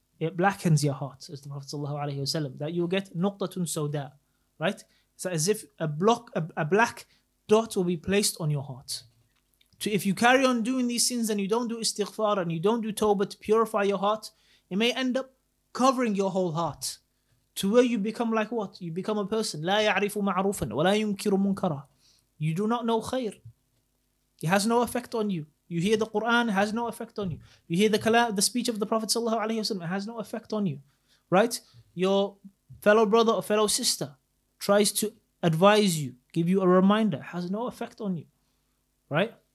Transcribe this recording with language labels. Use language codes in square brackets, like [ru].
[en] It blackens your heart, as the Prophet sallallahu alayhi wa sallam, that you'll get nuqtatun sawda, right? So as if a black dot will be placed on your heart. So if you carry on doing these sins and you don't do istighfar and you don't do tawbah to purify your heart, it may end up covering your whole heart to where you become like what? You become a person. [ar] لا يعرف معروفا ولا ينكر منكرا. [en] You do not know khair. It has no effect on you. You hear the Quran, it has no effect on you. You hear the kalam, the speech of the Prophet sallallahu alaihi wasallam, it has no effect on you. Right? Your fellow brother or fellow sister tries to advise you, give you a reminder, has no effect on you. Right?